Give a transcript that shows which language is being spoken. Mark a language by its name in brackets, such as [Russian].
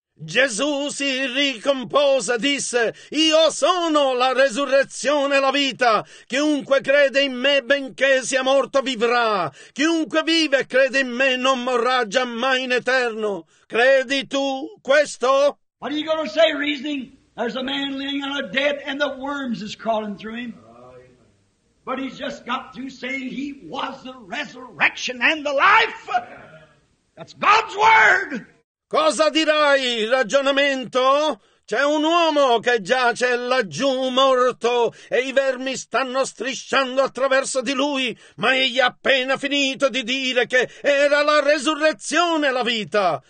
[Italian] Gesù si ricompose, disse, io sono la resurrezione e la vita. Chiunque crede in me, benché sia morto, vivrà. Chiunque vive e crede in me, non morrà giammai in eterno. Credi tu questo? [English] What are you going to say, reasoning? There's a man laying on a dead and the worms is crawling through him. But he's just got through saying he was the resurrection and the life. That's God's word. [Italian] Cosa dirai, ragionamento? C'è un uomo che giace laggiù morto e i vermi stanno strisciando attraverso di lui, ma egli ha appena finito di dire che era la resurrezione e la vita.